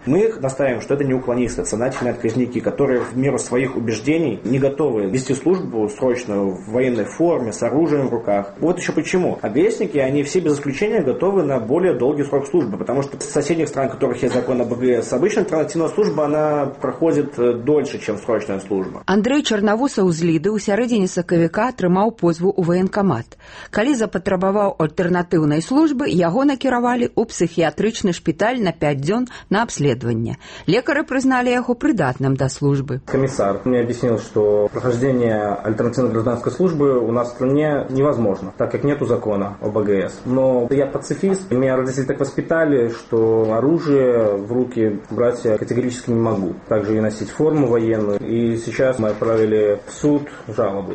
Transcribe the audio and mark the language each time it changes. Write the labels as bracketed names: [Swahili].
[Russian] Мы их настаиваем, что это не уклонисты, это сознательные отказники, которые в меру своих убеждений не готовы вести службу срочно в военной форме, с оружием в руках. Вот еще почему. Агрессники, они все без исключения готовы на более долгий срок службы, потому что в соседних стран, в которых есть закон об АГС, обычно альтернативно служба, она проходит дольше, чем срочная служба. [Belarusian] Андрей Чернавусаў з Ліды ў сярэдзіне сакавіка атрымаў позву ў военкамат. Калі запатрабаваў альтэрнатыўнай службы, яго накіравалі ў псіхіятрычны шпіталь на 5 дзён на абследаванне. Лекары прызналі яго прыдатным да службы. [Russian] Комісар мне объяснил, что прохождение альтернативной гражданской службы у нас в стране невозможно, так как нету закона об АГС. Но я пацифист, меня родители так воспитали, что оружие в руки братья категорически категорически не могу. Также и носить форму военную. И сейчас мы отправили в суд жалобу.